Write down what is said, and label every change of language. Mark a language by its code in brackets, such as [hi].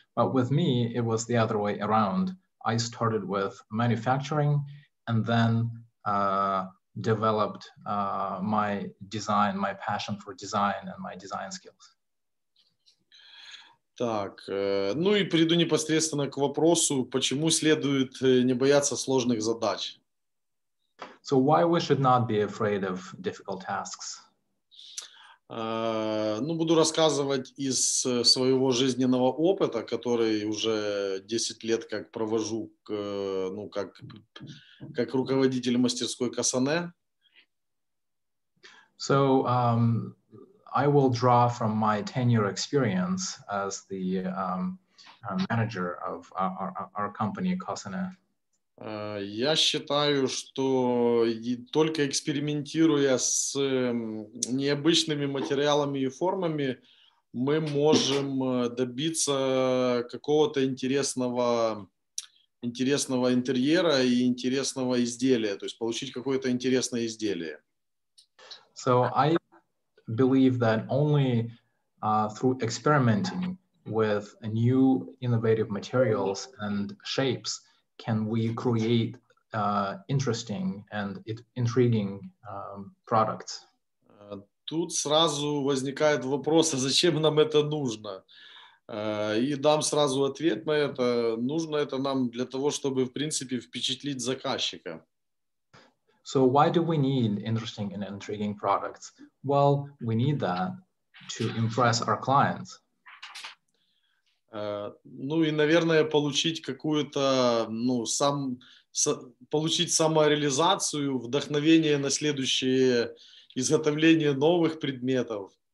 [en] But with me, it was the other way around. I started with manufacturing and then developed my design, my passion for design and my design skills. [ru] Так, ну и перейду непосредственно к вопросу, почему следует не бояться сложных задач. [en] So why we should not be afraid of difficult tasks? [ru] Ну, буду рассказывать из своего жизненного опыта, который уже 10 лет как провожу, ну, как руководитель мастерской Kassone. [en] So, I will draw from my 10-year experience as the manager of our company Kassone. [ru] Я считаю, что только экспериментируя с необычными материалами и формами, мы можем добиться какого-то интересного интерьера и интересного изделия, то есть получить какое-то интересное изделие. [en] So I believe that only through experimenting with new innovative materials and shapes can we create interesting and intriguing products. [ru] Тут сразу возникает вопрос, а зачем нам это нужно? И дам сразу ответ на это. Нужно это нам для того, чтобы, в принципе, впечатлить заказчика. [en] So why do we need interesting and intriguing products? Well, we need that to impress our clients. [ru] Ну и, наверное, получить какую-то, ну, получить самореализацию, вдохновение на следующее изготовление новых предметов.